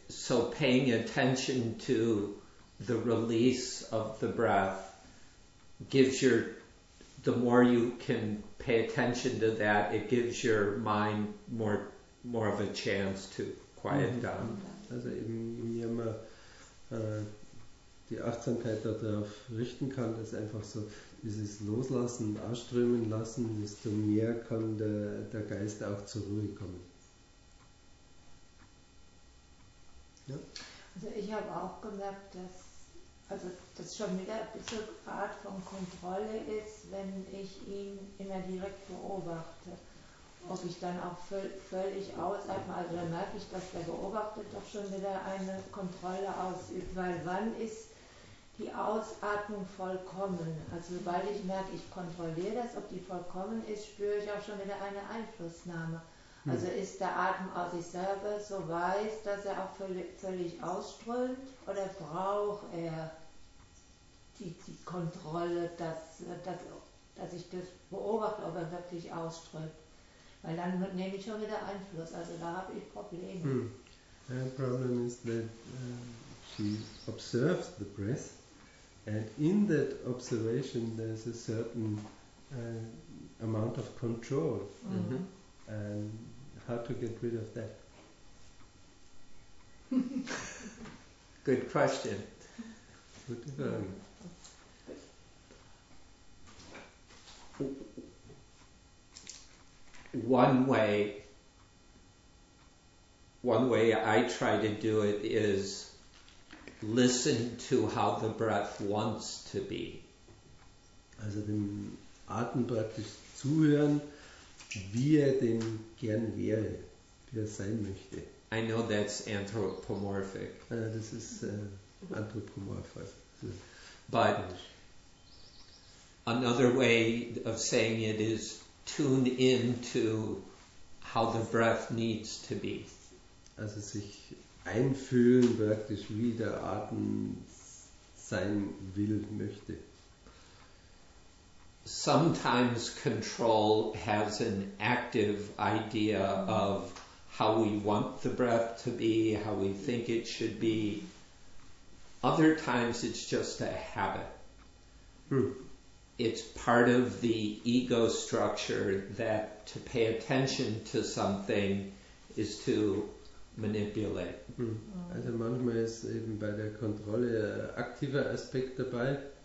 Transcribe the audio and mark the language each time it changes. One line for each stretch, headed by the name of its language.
English: So paying attention to the release of the breath gives your, the more you can pay attention to that, it gives your mind more of a chance to quiet down.
German: Also eben, je mehr man die Achtsamkeit darauf richten kann, dass einfach so dieses Loslassen, Ausströmen lassen, desto mehr kann der Geist auch zur Ruhe kommen. Ja? Also ich habe auch gemerkt, dass schon wieder ein bisschen eine Art von Kontrolle ist, wenn ich ihn immer direkt beobachte. Ob ich dann auch völlig ausatme, also dann merke ich, dass der Beobachter doch schon wieder eine Kontrolle ausübt, weil wann ist die Ausatmung vollkommen? Also sobald ich merke, ich kontrolliere das, ob die vollkommen ist, spüre ich auch schon wieder eine Einflussnahme. Also ist der Atem aus sich selber so weiß, dass er auch völlig ausströmt, oder braucht er die Kontrolle, dass ich das beobachte, ob er wirklich ausströmt? Weil dann nehme ich schon wieder Einfluss, also da habe ich Probleme.
English: problem is that she observes the breath, and in that observation there's a certain amount of control. Mm-hmm. And how to get rid of that? Good question. One way I try to do it is listen to how the breath wants to be.
German: Also dem Atem praktisch zuhören, wie dem gern wäre, wie sein möchte.
English: I know that's anthropomorphic. This is anthropomorphic. But another way of saying it is tune in to how the breath needs to be.
German: Also sich einfühlen praktisch, wie der Atem sein will, möchte.
English: Sometimes control has an active idea of how we want the breath to be, how we think it should be. Other times it's just a habit. It's part of the ego structure that to pay attention to something is to manipulate.
German: Also manchmal ist eben bei der Kontrolle ein aktiver Aspekt dabei.